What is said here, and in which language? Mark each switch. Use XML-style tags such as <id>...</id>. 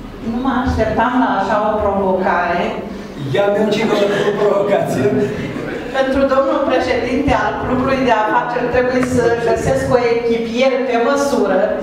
<ro>Nu mă așteptam la așa o provocare.</ro> <uk>Я не очікував таку провокацію.</uk> <ro>Pentru domnul președinte al clubului de afaceri trebuie să găsesc o echipier pe măsură.</ro>